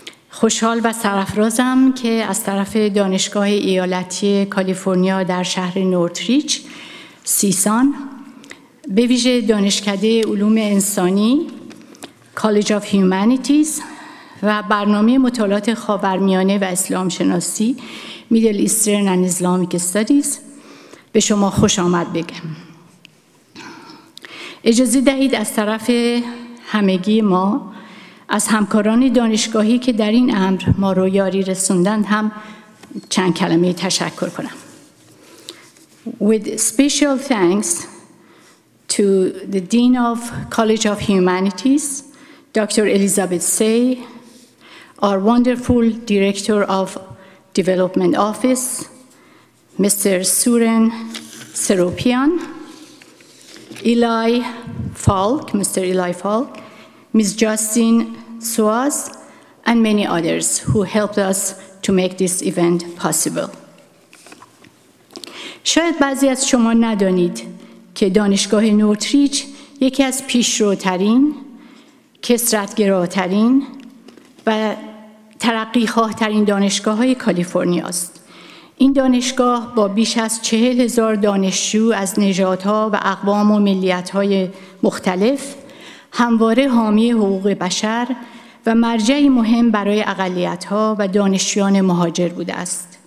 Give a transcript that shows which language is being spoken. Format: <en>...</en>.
<fa>خوشحال و سرافرازم که از طرف دانشگاه ایالتی کالیفرنیا در شهر نورتیچ سیسان به ویژه دانشکده علوم انسانی کالج آف هیومانیتیز و برنامه مطالعات خاورمیانه و اسلام شناسی میدل ایسترن اند اسلامیک استادیز به شما خوش آمد بگم. اجازه دهید از طرف همگی ما، از همکاران دانشگاهی که در این امر ما رو یاری رسوندند، هم چند کلمه تشکر کنم.</fa> <en>With special thanks to the Dean of College of Humanities, Dr. Elizabeth Say, our wonderful Director of Development Office, Mr. Suren Seropian, Eli Falk, Mr. Eli Falk, Ms. Justine Suaz, and many others who helped us to make this event possible.</en> <fa>شاید بعضی از شما ندانید که دانشگاه نورتریچ یکی از پیشروترین، کسرتگراترین و ترقی خواهترین دانشگاه های کالیفرنیا است. این دانشگاه با بیش از 40,000 دانشجو از نژادها و اقوام و ملیتهای مختلف همواره حامی حقوق بشر و مرجعی مهم برای اقلیتها و دانشجویان مهاجر بوده است.</fa>